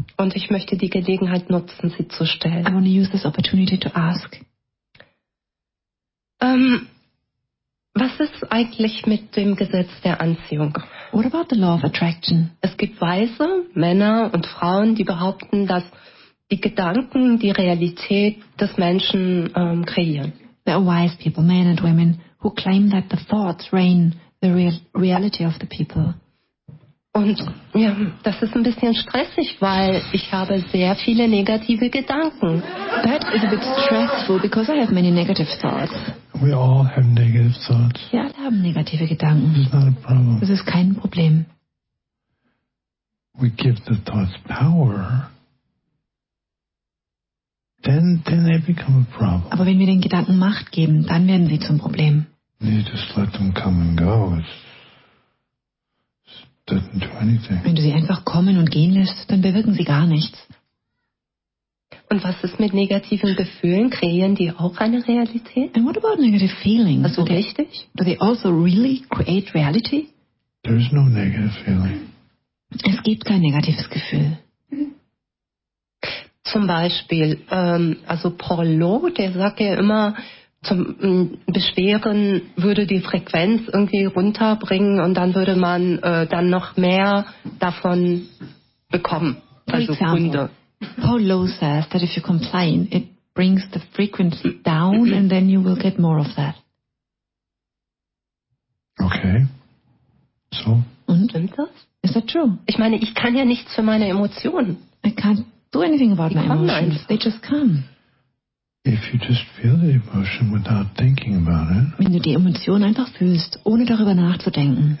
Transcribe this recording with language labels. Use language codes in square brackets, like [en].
[de] Und ich möchte die Gelegenheit nutzen, sie zu stellen. [en] I want to use this opportunity to ask. [de] Was ist eigentlich mit dem Gesetz der Anziehung? [en] What about the law of attraction? [de] Es gibt Weise, Männer und Frauen, die behaupten, dass die Gedanken die Realität des Menschen kreieren. [en] There are wise people, men and women, who claim that the thoughts reign the reality of the people. [de] Und ja, das ist ein bisschen stressig, weil ich habe sehr viele negative Gedanken. [en] That is a bit stressful because I have many negative thoughts. We all have negative thoughts. [de] Wir alle haben negative Gedanken. [en] It's not a problem. [de] Das ist kein Problem. [en] We give the thoughts power. Then they become a problem. [de] Aber wenn wir den Gedanken Macht geben, dann werden sie zum Problem. [en] You just let them come and go. It doesn't do anything. [de] Wenn du sie einfach kommen und gehen lässt, dann bewirken sie gar nichts. Und was ist mit negativen Gefühlen? Kreieren die auch eine Realität? [en] And what about negative feelings? [de] Also richtig? [en] Do they also really create reality? There's no negative feeling. [de] Es gibt kein negatives Gefühl. Zum Beispiel, also Paul Lowe, der sagt ja immer, zum Beschweren würde die Frequenz irgendwie runterbringen und dann würde man dann noch mehr davon bekommen. [en] For [de] also [en] example, Paul Lowe says that if you complain, it brings the frequency down, and then you will get more of that. Okay. So? [de] Und? Stimmt das? [en] Is that true? [de] Ich meine, ich kann ja nichts für meine Emotionen. [en] I can't do anything about my emotions. They just come. If you just feel the emotion without thinking about it. [de] Wenn du die Emotion einfach fühlst, ohne darüber nachzudenken.